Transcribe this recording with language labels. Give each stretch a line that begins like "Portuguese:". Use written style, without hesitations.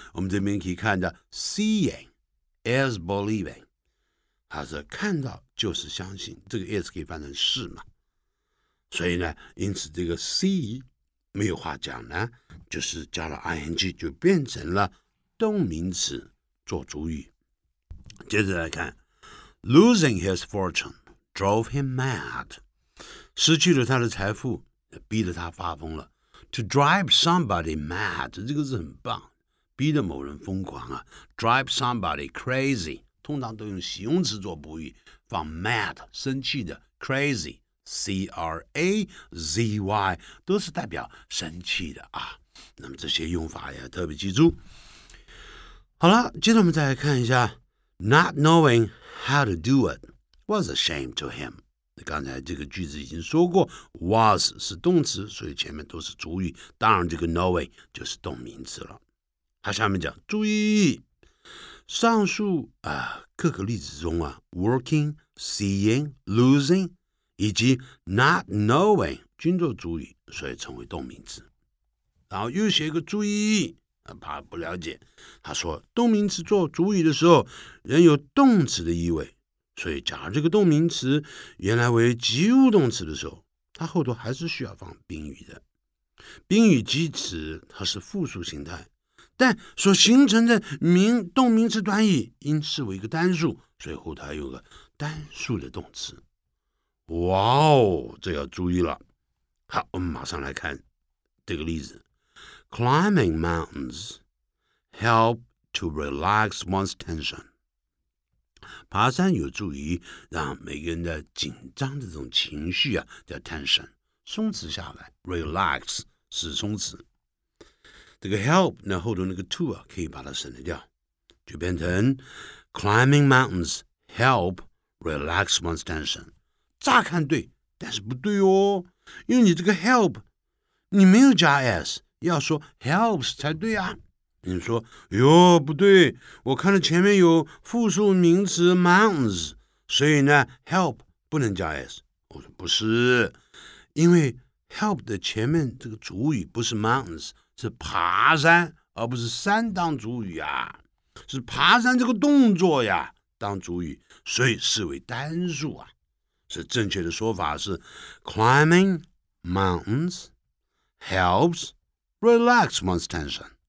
Chinese: 我们这边可以看到
English: Seeing is believing，
Chinese: 它是看到就是相信，这个 is 可以翻成是嘛，所以呢，因此这个 see 没有话讲呢，就是加了 ing 就变成了动名词做主语。接着来看
English: Losing his fortune drove him mad.
Chinese: 失去了他的财富逼得他发疯了。
English: To drive somebody mad,
Chinese: 这个字很棒。逼得某人疯狂啊。
English: Drive somebody crazy,
Chinese: 通常都用形容词做补语，放 mad, 生气的 crazy, C-R-A-Z-Y, 都是代表生气的啊。那么这些用法也特别记住。好了，接着我们再来看一下
English: ,Not knowing how to do it was a shame to him.
Chinese: 刚才这个句子已经说过 ,was 是动词，所以前面都是主语，当然这个 knowing 就是动名词了。他下面讲，注意上述啊各个例子中啊 ,working, seeing, losing, 以及 not knowing, 均作主语，所以成为动名词。然后又写一个注意，怕不了解，他说动名词做主语的时候仍有动词的意味，所以假如这个动名词原来为及物动词的时候，它后头还是需要放宾语的。宾语基词它是复数形态，但所形成的名动名词短语应视为一个单数，所以后头有个单数的动词。哇哦，这要注意了。好，我们马上来看这个例子。
English: Climbing mountains help to relax one's tension.
Chinese: 爬山有助于让每个人的紧张的这种情绪啊，叫 tension, 松弛下来 ,relax, 是松弛。这个 help, 那后头那个 to 啊，可以把它省掉，就变成
English: Climbing mountains help relax one's tension.
Chinese: 乍看对，但是不对哦，因为你这个 help, 你没有加 s,要说 helps 才对啊。你说哟不对，我看到前面有复数名词 mountains, 所以呢 help 不能加 s。我说不是，因为 help 的前面这个主语不是 mountains, 是爬山，而不是山当主语啊，是爬山这个动作呀当主语，所以视为单数啊。是正确的说法是
English: climbing mountains helpsRelax one's tension.